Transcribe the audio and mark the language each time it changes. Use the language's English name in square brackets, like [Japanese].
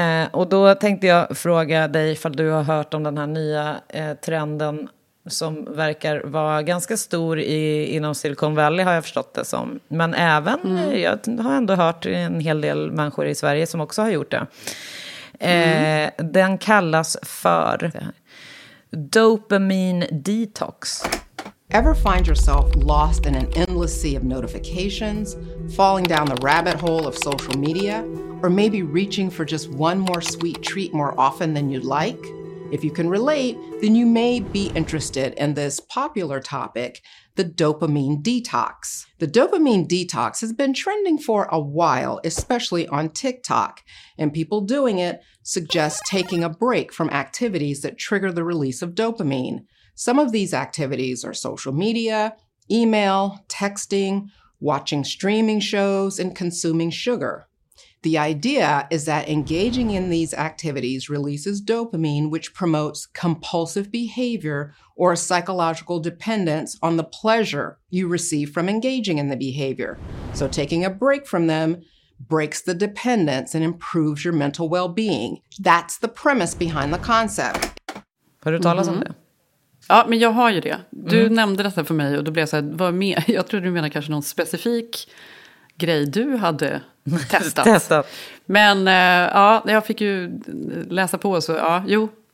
[Swedish] Och då tänkte jag fråga dig ifall du har hört om den här nya trenden som verkar vara ganska stor inom Silicon Valley, har jag förstått det som. Men även, jag har ändå hört en hel del människor i Sverige som också har gjort det. Den kallas för dopamin detox. [English] Ever find yourself lost in an endless sea of notifications, falling down the rabbit hole of social media, or maybe reaching for just one more sweet treat more often than you'd like? If you can relate, then you may be interested in this popular topic, the dopamine detox. The dopamine detox has been trending for a while, especially on TikTok, and people doing it suggest taking a break from activities that trigger the release of dopamine. Some of these activities are social media, email, texting, watching streaming shows, and consuming sugar. The idea is that engaging in these activities releases dopamine, which promotes compulsive behavior or psychological dependence on the pleasure you receive from engaging in the behavior. So taking a break from them breaks the dependence and improves your mental well-being. That's the premise behind the concept. [Swedish] Har du talat om det? Ja, men jag har ju det. Du nämnde detta för mig och då blev jag så här, var med. Jag tror du menar kanske någon specifik grej du hade testat. Testat. Men ja, jag fick ju läsa på så ja, jo.